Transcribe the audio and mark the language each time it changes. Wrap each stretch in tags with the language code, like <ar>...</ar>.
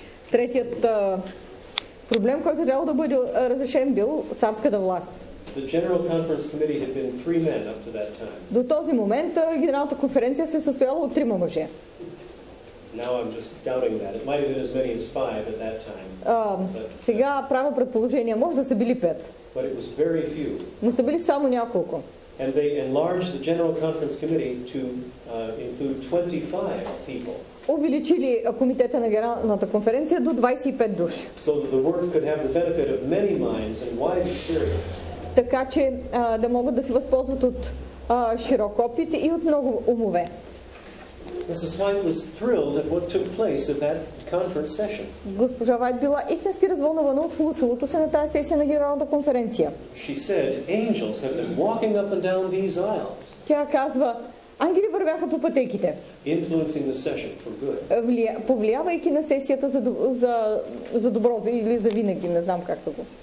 <bg>Третият проблем, който трябва да бъде разрешен, бил царската власт.</bg> <en>The General Conference Committee had been three men up to that time.</en> <bg>До този момент Генералната конференция се състояла от трима мъже.</bg> <en>Now I'm just doubting that. It might have been as many as five at that time.</en> <bg>Сега правя предположение, може да са били пет.</bg> <en>But it was very few.</en> <bg>Но са били само няколко.</bg> <en>And they enlarged the General Conference Committee to include 25 people.</en> <bg>Увеличили комитета на Генералната конференция до 25 души.</bg> <en>So that the work could have the benefit of many minds and wide experience.</en> <bg>Така че да могат да се възползват от широк опит и от много умове.</bg> <en>Mrs. White was thrilled at what took place at that conference session.</en> <bg>Госпожа Вайт била истински развълнувана от случилото се на тази сесия на Генералната конференция.</bg> <en>She said, "Angels have been walking up and down these aisles."</en> <bg>Тя казва, ангели вървяха по пътеките.</bg> <en>Influencing the session for good.</en> <bg>Повлиявайки на сесията за добро или за винаги, не знам как са го.</bg>